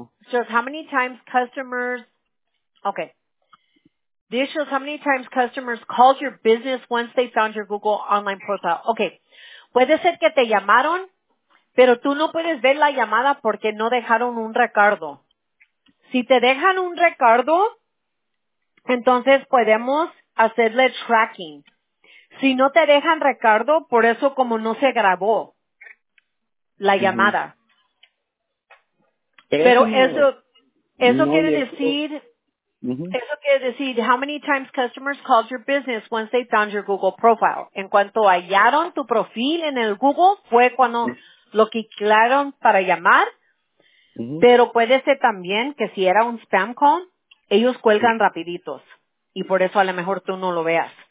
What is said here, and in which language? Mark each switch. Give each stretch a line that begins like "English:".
English: Shows how many times customers. Okay. This shows how many times customers called your business once they found your Google online profile. Okay.
Spanish: Puede ser que te llamaron, pero tú no puedes ver la llamada porque no dejaron un recuerdo. Si te dejan un recuerdo, entonces podemos hacerle tracking. Si no te dejan recuerdo, por eso como no se grabó la llamada. Pero eso quiere decir... Eso quiere decir,
English: how many times customers called your business once they found your Google profile.
Spanish: En cuanto hallaron tu perfil en el Google, fue cuando lo clicaron para llamar. Pero puede ser también que si era un spam call, ellos cuelgan rapiditos. Y por eso a lo mejor tú no lo veas.